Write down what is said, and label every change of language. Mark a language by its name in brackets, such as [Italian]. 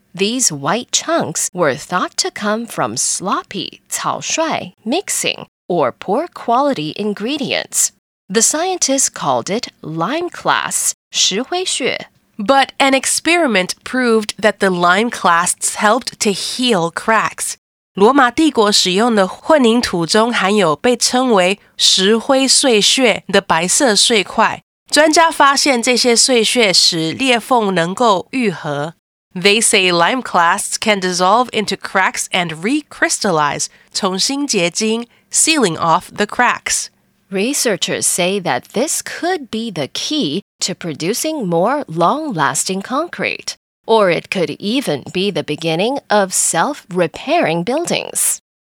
[English] These white chunks were thought to come from sloppy, 草率, mixing, or poor quality ingredients. The scientists called it lime clasts, 石灰屑。 But an experiment proved that the lime clasts helped to heal cracks. [Chinese] 罗马帝国使用的混凝土中含有被称为石灰碎屑的白色碎块。专家发现这些碎屑使裂缝能够愈合。 [English] They say lime clasts can dissolve into cracks and recrystallize, 重新结晶, sealing off the cracks. Researchers say that this could be the key to producing more long-lasting concrete, or it could even be the beginning of self-repairing buildings.